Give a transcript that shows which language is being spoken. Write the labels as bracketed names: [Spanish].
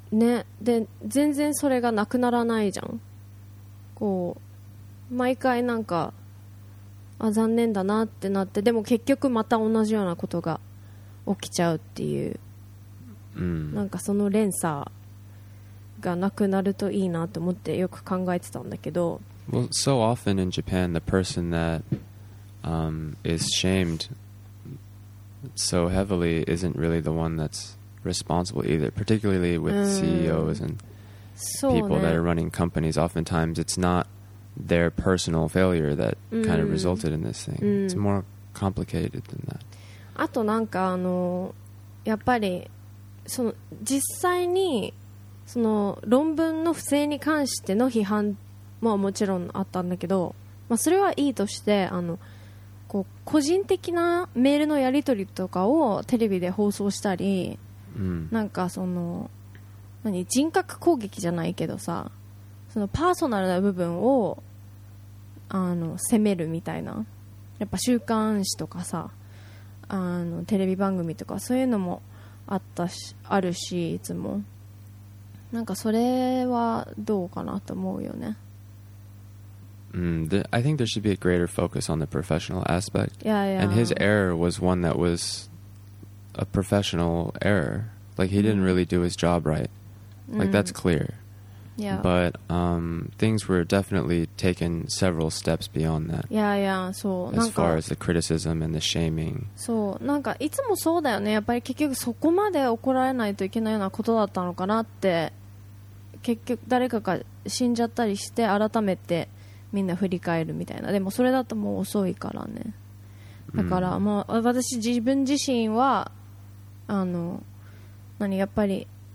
[Japanese] ね、で全然それがなくならないじゃん。こう毎回なんか、あ、残念だなってなって、でも結局また同じようなことが起きちゃうっていう、うん、なんかその連鎖がなくなるといいなと思ってよく考えてたんだけど、 [English] Well, so often in Japan, the person that、is shamed so heavily isn't really the one that's responsible either, particularly with CEOs and people、ね、 that are running companies. Oftentimes it's not their personal failure that kind of resulted in this thing. It's more complicated than that. [Japanese] あとなんかあのやっぱりその実際にその論文の不正に関しての批判ももちろんあったんだけど、まあ、それはいいとして、あのこう個人的なメールのやり取りとかをテレビで放送したり、なんかその何、人格攻撃じゃないけどさ、そのパーソナルな部分をあの責めるみたいな、やっぱ週刊誌とかさ、あのテレビ番組とかそういうのもあったし、あるし、いつもなんかそれはどうかなと思うよね。 [English] I think there should be a greater focus on the professional aspect. Yeah, yeah. And his error was one that was a professional error. Like he didn't really do his job right. Like that's clear. Yeah. But things were definitely taken several steps beyond that. Yeah, yeah. So, as far as the criticism and the shaming. [Japanese] So, なんかいつもそうだよね。やっぱり結局そこまで怒られないといけないようなことだったのかなって、結局誰かが死んじゃったりして改めてみんな振り返るみたいな。でもそれだともう遅いからね。だから、まあ私自分自身はあの何やっぱり。